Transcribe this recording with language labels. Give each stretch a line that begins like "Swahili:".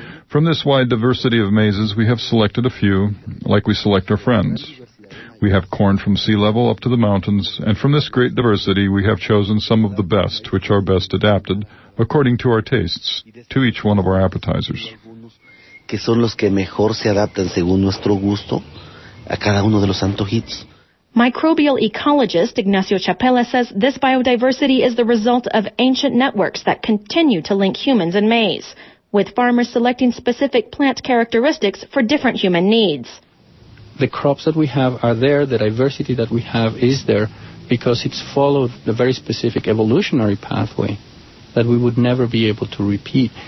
English: From this wide diversity of maizes, we have selected a few, like we select our friends. We have corn from sea level up to the mountains, and from this great diversity, we have chosen some of the best, which are best adapted, according to our tastes, to each one of our appetizers.
Spanish: Que son los que mejor se adaptan según nuestro gusto a cada uno de los antojitos.
English: Microbial ecologist Ignacio Chapela says this biodiversity is the result of ancient networks that continue to link humans and maize, with farmers selecting specific plant characteristics for different human needs. The crops that we have are there, the diversity that we have is there, because it's followed the very specific evolutionary pathway that we would never be able to repeat.